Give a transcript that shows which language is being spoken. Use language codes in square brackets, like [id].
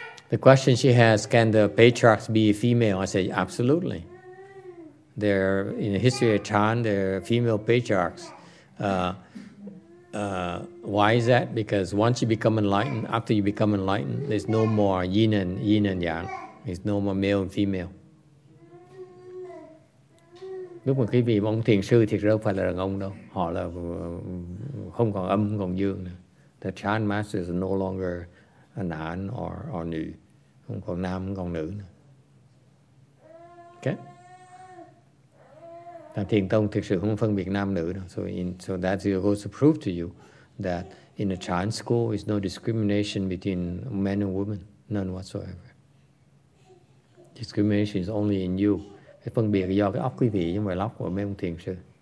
[en] The question she has, can the patriarchs be female? I say, absolutely. There, in the history of Chan, there are female patriarchs. Why is that? Because once you become enlightened, after you become enlightened, there's no more yin and yang. There's no more male and female. [vi] Lúc mà quý vị mong thiền sư thì đâu phải là đàn ông đâu. Họ là không còn âm, không còn dương nữa. [en] The Chan masters are no longer nam or nữ. [vi] Không còn nam, không còn nữ nữa. Okay? Thiền Tông thực sự không phân biệt nam nữ đâu. [en] So that goes to prove to you that in a Chan school is no discrimination between men and women, none whatsoever. Discrimination is only in you. [vi] Cái phân biệt do cái óc quý vị với ngoài lóc của mấy ông thiền sư.